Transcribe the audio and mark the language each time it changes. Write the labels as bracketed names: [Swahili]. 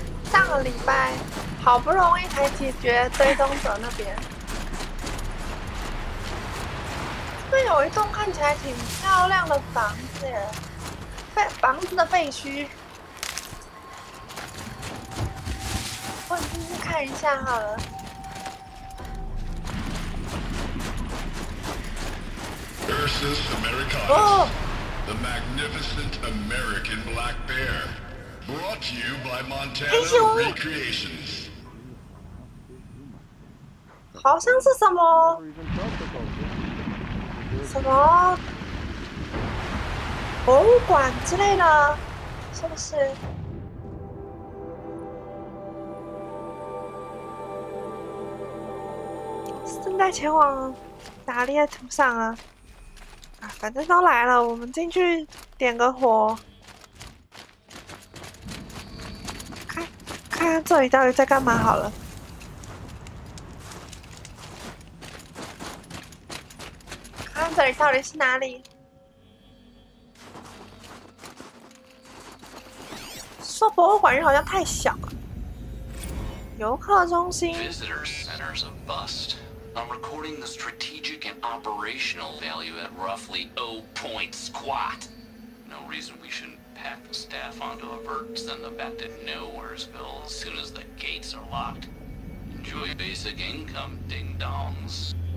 [Chinese] 上个礼拜好不容易才解决追踪者那边，这有一栋看起来挺漂亮的房子耶，房子的废墟，我进去看一下好了。 [English] Versus America, the magnificent American Black Bear, brought to you by Montana Recreations. [Chinese] 好像是什么？什么博物馆之类的？是不是？正在前往打猎途上啊！啊，反正都来了，我们进去点个火，看看这里到底在干嘛好了。看这里到底是哪里？说博物馆好像太小了，游客中心。 [English] Visitor centers of bust. I'm recording the strategic and operational value at roughly 0 point squat. No reason we shouldn't pack the staff onto a vert, send them back to Nowheresville as soon as the gates are locked. Enjoy basic income, ding dongs.